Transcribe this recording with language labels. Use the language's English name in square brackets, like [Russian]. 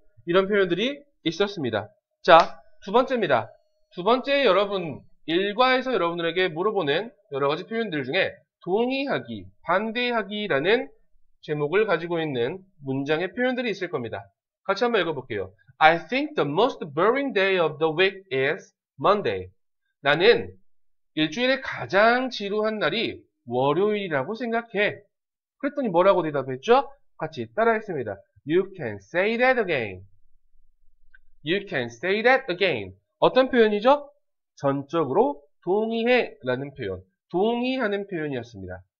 [Korean] 이런 표현들이 있었습니다. 자, 두 번째입니다. 두 번째, 여러분 일과에서 여러분들에게 물어보는 여러 가지 표현들 중에 동의하기, 반대하기라는 제목을 가지고 있는 문장의 표현들이 있을 겁니다. 같이 한번 읽어볼게요. [English] I think the most boring day of the week is Monday. [Korean] 나는 일주일에 가장 지루한 날이 월요일이라고 생각해. 그랬더니 뭐라고 대답했죠? 같이 따라했습니다. [English] You can say that again. You can say that again. [Korean] 어떤 표현이죠? 전적으로 동의해 라는 표현. 동의하는 표현이었습니다.